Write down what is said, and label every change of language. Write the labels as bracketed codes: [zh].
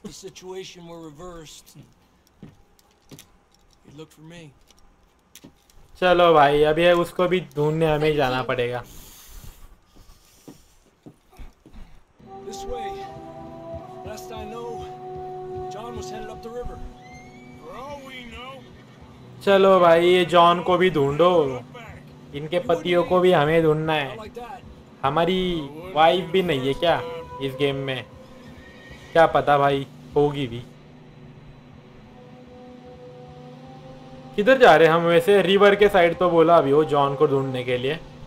[en] The situation were reversed. He looked for me. [hi] चलो भाई अभी उसको भी ढूंढने हमें जाना पड़ेगा. [en] This way. Last I know, John was headed up the river. For all we know. [hi] चलो भाई ये जॉन को भी ढूंढो. इनके पतियों को भी हमें ढूंढना है. हमारी वाइफ भी नहीं है क्या इस गेम में? क्या पता भाई होगी भी. किधर जा रहे हम वैसे? रिवर के साइड तो बोला अभी वो जॉन को ढूंढने के लिए.